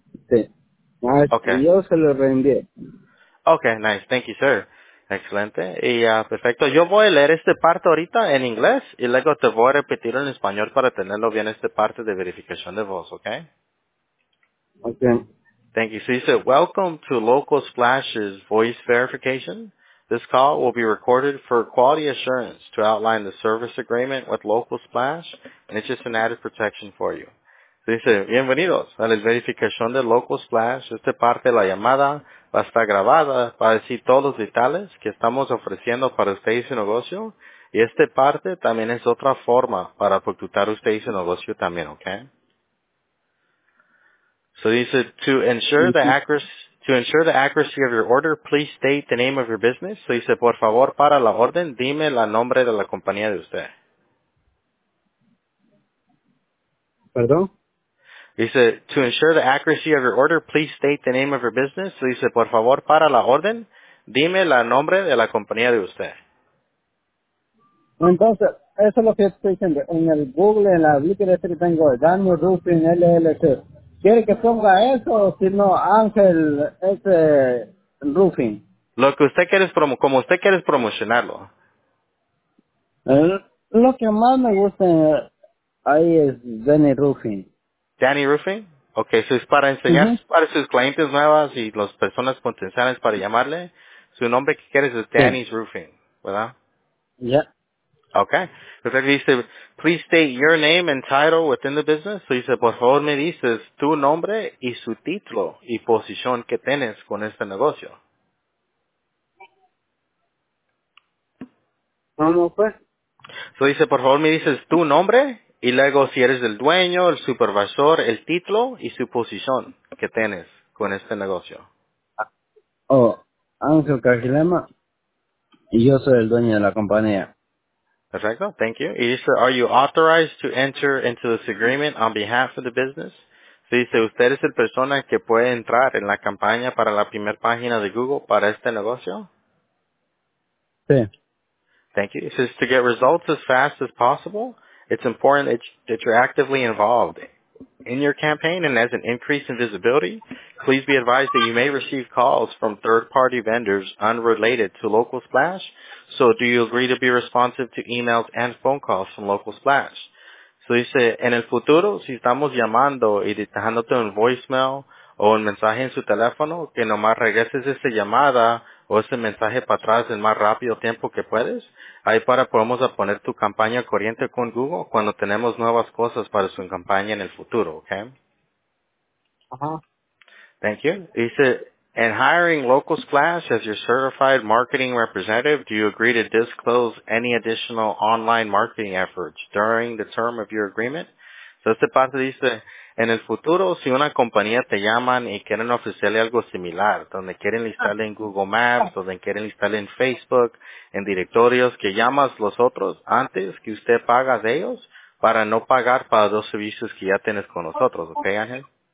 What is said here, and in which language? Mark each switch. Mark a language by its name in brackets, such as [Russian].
[Spanish] Sí. [English] Okay. [Spanish] Yo se lo reenvié. [English] Okay, nice. Thank you, sir. [Spanish] Excelente. Y perfecto. Yo voy a leer esta parte ahorita en inglés y luego te voy a repetir en español para tenerlo bien esta parte de verificación de voz, okay? [English] Okay. Thank you. So you said, welcome to Local Splash's voice verification. This call will be recorded for quality assurance to outline the service agreement with Local Splash, and it's just an added protection for you. So you said, [Spanish] bienvenidos a la verificación de Local Splash. Esta parte de la llamada va a estar grabada para decir todos los detalles que estamos ofreciendo para usted y su negocio. Y esta parte también es otra forma para facturar usted y su negocio también, ¿ok? So dice, [English] to ensure the accuracy of your order, please state the name of your business. [Spanish] So dice, por favor, para la orden, dime el nombre de la compañía de usted. ¿Perdón? [English] He said, to ensure the accuracy of your order, please state the name of your business. So he said, [Spanish] por favor, para la orden, dime la nombre de la compañía de usted. Entonces, eso es lo que estoy diciendo. En el Google, en la Blicker Street, tengo Daniel Rufin, LLC. ¿Quiere que ponga eso o si no, Ángel ese Rufin? Lo que usted quiere es como usted quiere es promocionarlo. Lo que más me gusta ahí es Danny Rufin. Danny Roofing, ok, eso es para enseñar, uh-huh, para sus clientes nuevas y las personas potenciales para llamarle. Su nombre que quieres es Danny's, yeah, Roofing, ¿verdad? [English] Yeah. [Spanish] Ok, entonces dice, [English] please state your name and title within the business. [Spanish] So dice, por favor me dices tu nombre y su título y posición que tienes con este negocio. ¿Cómo fue? So dice, por favor me dices tu nombre. Y luego, si eres el dueño, el supervisor, el título y su posición que tienes con este negocio. Oh, Ángel Cajilema. Y yo soy el dueño de la compañía. [English] Perfecto, thank you. [Spanish] Y dice, [English] are you authorized to enter into this agreement on behalf of the business? [Spanish] Se dice, ¿usted es la persona que puede entrar en la campaña para la primera página de Google para este negocio? Sí. [English] Thank you. It says, to get results as fast as possible, it's important that you're actively involved in your campaign, and as an increase in visibility, please be advised that you may receive calls from third-party vendors unrelated to Local Splash. So do you agree to be responsive to emails and phone calls from Local Splash? So you say, [Spanish] en el futuro, si estamos llamando y dejándote un voicemail o un mensaje en su teléfono, que nomás regreses esa llamada o ese mensaje para atrás en más rápido tiempo que puedes, ahí para podemos poner tu campaña corriente con Google cuando tenemos nuevas cosas para su campaña en el futuro, ¿ok? Ajá. [English] Thank you. [Spanish] Dice, [English] And hiring Local Splash as your certified marketing representative, do you agree to disclose any additional online marketing efforts during the term of your agreement? [Spanish] So este parte dice, en el futuro, si una compañía te llaman y quieren ofrecerle algo similar, donde quieren listarle en Google Maps, donde quieren listarle en Facebook, en directorios, que llamas los otros antes que usted paga de ellos para no pagar para dos servicios que ya tienes con nosotros, ¿ok, Ángel?